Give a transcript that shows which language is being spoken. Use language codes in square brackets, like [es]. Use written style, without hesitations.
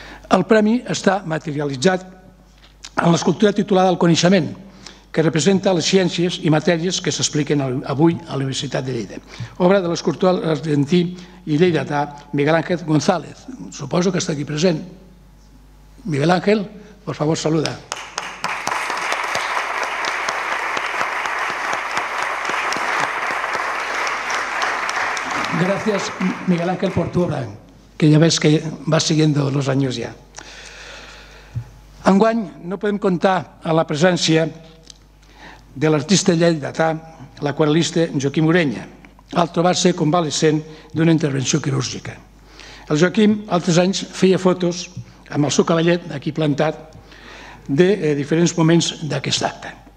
[ca] El premi està materialitzat en l'escultura titulada El coneixement, que representa les ciències i matèries que s'expliquen avui a la Universitat de Lleida. Obra de l'escultor argentí i lleidatà Miguel Ángel González. Suposo que està aquí present. [es] Miguel Ángel, por favor, saluda. Gracias, Miguel Ángel, por tu obra, [ca] que ja ves que va [es] siguiendo los años ya. [ca] Enguany no podem comptar a la presència de l'artista lleidatà, l'aquarel·lista Joaquim Ureña, al trobar-se convalescent d'una intervenció quirúrgica. El Joaquim, altres anys, feia fotos amb el seu cavallet aquí plantat de diferents moments d'aquest acte.